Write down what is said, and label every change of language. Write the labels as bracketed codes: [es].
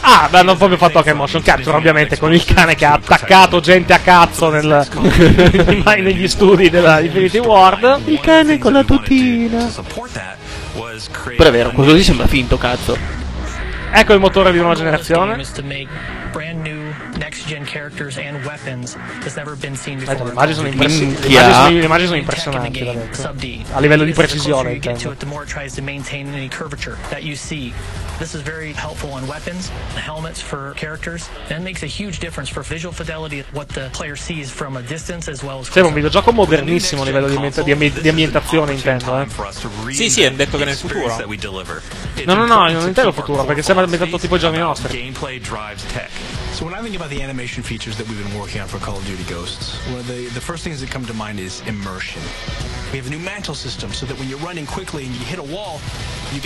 [it] Ah, beh, non proprio fatto anche motion capture, ovviamente, con il cane che ha attaccato gente a cazzo nel negli studi della Infinity Ward. Il cane con la tutina. Però è vero, questo lì sembra finto, cazzo. Ecco il motore di nuova generazione. [en] Brand new next gen characters and weapons has never been seen before. [it] Le immagini sono impressionanti. Le immagini sono impressionanti, da detto. A livello di precisione, intendo. [en] The more it tries to maintain any curvature that you see. This is very helpful on weapons, helmets for characters. That makes a huge difference for visual fidelity what the player sees from a distance as well as. [it] Sembra un videogioco modernissimo a livello di ambientazione, intendo, Sì, sì, è detto che nel futuro. No, non intendo il futuro, perché sembra ambientato tipo i giorni nostri. [en] Gameplay drives tech. So when I think about the animation features that we've been working on for Call of Duty Ghosts, one of the first things that come to mind is immersion. We have a new mantle system so that when you're running quickly and you hit a wall, you